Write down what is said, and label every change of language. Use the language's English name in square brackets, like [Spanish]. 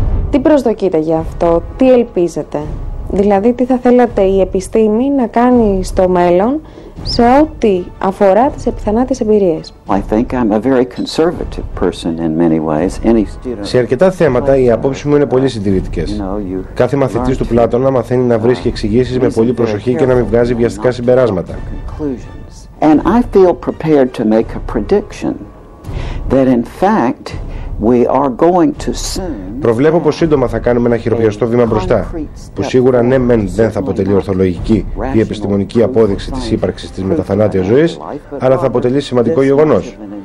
[Greek] Τι προσδοκείτε για αυτό, τι ελπίζετε? Δηλαδή τι θα θέλατε η επιστήμη να κάνει στο μέλλον σε ό,τι αφορά τις επιθανάτες εμπειρίες? Σε αρκετά θέματα οι απόψεις μου είναι πολύ συντηρητικές. Κάθε μαθητής του Πλάτωνα μαθαίνει να βρίσκει εξηγήσεις με πολύ προσοχή και να μην βγάζει βιαστικά συμπεράσματα. [English] And I feel prepared to make a prediction that in fact we are going to soon. [Greek] Προβλέπω πως σύντομα θα κάνουμε ένα χειροπιαστό βήμα μπροστά, που σίγουρα ναι μεν δεν θα αποτελεί ορθολογική ή επιστημονική απόδειξη της ύπαρξης της μεταθανάτιας ζωής, αλλά θα αποτελεί σημαντικό γεγονός.